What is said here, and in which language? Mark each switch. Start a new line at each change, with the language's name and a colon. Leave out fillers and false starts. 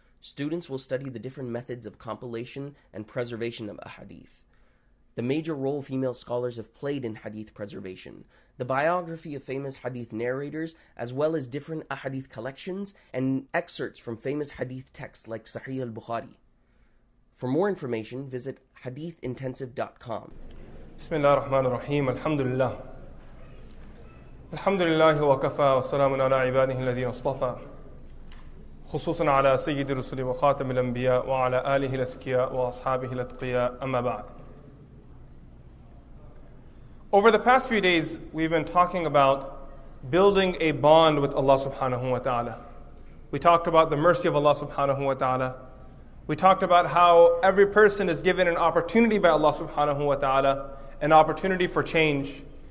English: Students will study the different methods of compilation and preservation of a Hadith, the major role female scholars have played in Hadith preservation, the biography of famous Hadith narrators, as well as different Ahadith collections and excerpts from famous Hadith texts like Sahih al-Bukhari. For more information, visit hadithintensive.com.
Arabic: بسم الله الرحمن الرحيم الحمد لله الحمد لله وكفى والسلام على عباده الذين اصطفى خصوصا على سيد الرسل وخاتم الانبياء وعلى اله الاسكياء واصحابه الاتقياء اما بعد.
English: Over the past few days we've been talking about building a bond with Allah subhanahu wa ta'ala. We talked about the mercy of Allah subhanahu wa ta'ala. We talked about how every person is given an opportunity by Allah subhanahu wa ta'ala, an opportunity for change.